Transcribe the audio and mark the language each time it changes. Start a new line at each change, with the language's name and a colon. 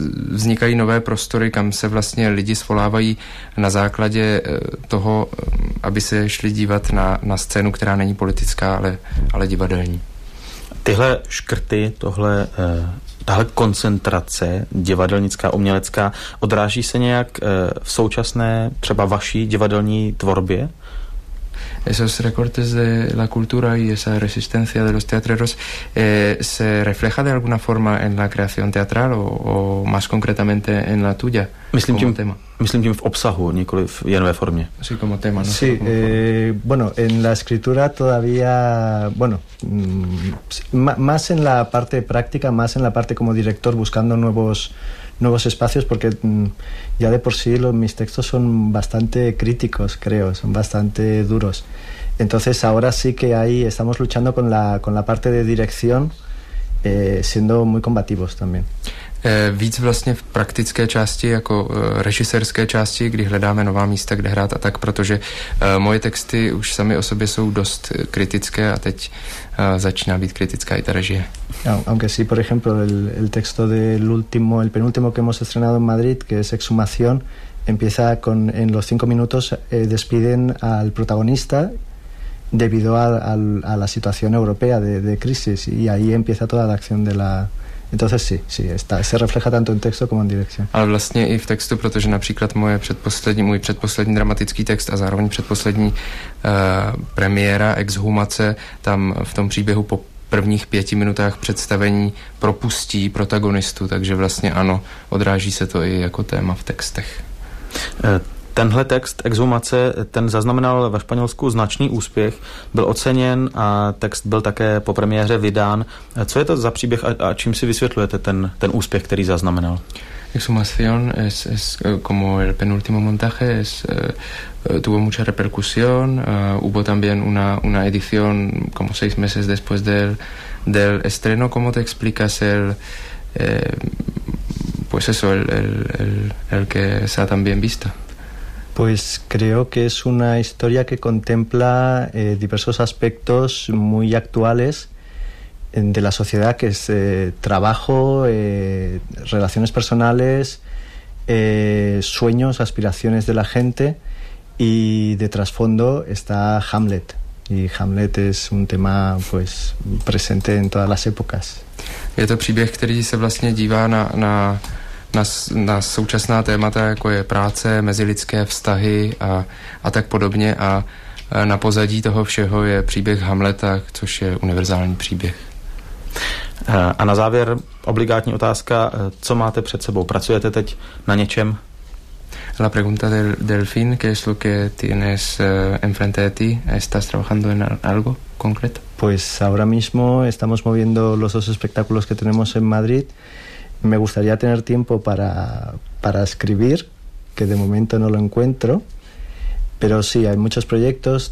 Czech: Vznikají nové prostory, kam se vlastně lidi svolávají na základě toho, aby se šli dívat na scénu, která není politická, ale divadelní. Tyhle škrty, tahle koncentrace divadelnická, umělecká, odráží se nějak v současné třeba vaší divadelní tvorbě?
Spanish: Esos recortes de la cultura y esa resistencia de los teatreros se refleja de alguna forma en la creación teatral o más concretamente en la tuya?
Czech: Myslím tím v obsahu, nikoli jen ve formě.
Spanish: Así como tema, ¿no? Sí, bueno, en la escritura todavía, bueno, más en la parte práctica, más en la parte como director buscando nuevos espacios, porque ya de por sí mis textos son bastante críticos, creo, son bastante duros. Entonces ahora sí que ahí estamos luchando con la parte de dirección, siendo muy combativos también.
Czech: Víc vlastně v praktické části, jako režisérské části, kdy hledáme nová místa, kde hrát a tak, protože moje texty už sami o sobě jsou dost kritické a teď začíná být kritická i ta režie.
Spanish: Aunque sí, por ejemplo, el texto del último, el penúltimo que hemos estrenado en Madrid, que es Exhumación, empieza con, en los cinco minutos despiden al protagonista debido a la situación europea de crisis y ahí empieza toda la acción de la... Entonces sí, sí, está, se refleja tanto en texto como en dirección.
Czech: Ale vlastně i v textu, protože například moje předposlední, můj předposlední dramatický text a zároveň předposlední premiéra Exhumace, tam v tom příběhu po prvních pěti minutách představení propustí protagonistu, takže vlastně ano, odráží se to i jako téma v textech. Tenhle text Exhumace, ten zaznamenal ve Španělsku značný úspěch, byl oceněn a text byl také po premiéře vydán. Co je to za příběh a čím si vysvětlujete ten úspěch, který zaznamenal?
Spanish: Exhumación es como el penúltimo montaje, tuvo mucha repercusión, hubo también una edición como seis meses después del estreno. ¿Cómo te explicas el que se ha tan bien visto? Pues creo que es una historia que contempla diversos aspectos muy actuales de la sociedad, que es trabajo, relaciones personales, sueños, aspiraciones de la gente, y de trasfondo está Hamlet. Y Hamlet es un tema pues presente en todas las épocas.
Czech: Je to příběh, který se vlastně dívá na současná témata, jako je práce, mezilidské vztahy a tak podobně. A na pozadí toho všeho je příběh Hamleta, což je univerzální příběh. A na závěr obligátní otázka, co máte před sebou? Pracujete teď na něčem?
Spanish: La pregunta del fin, ¿qué es lo que tienes enfrente de ti? ¿Estás trabajando en algo concreto? Pues ahora mismo estamos moviendo los dos espectáculos que tenemos en Madrid. Me gustaría tener tiempo para escribir, que de momento no lo encuentro, pero sí, hay muchos proyectos.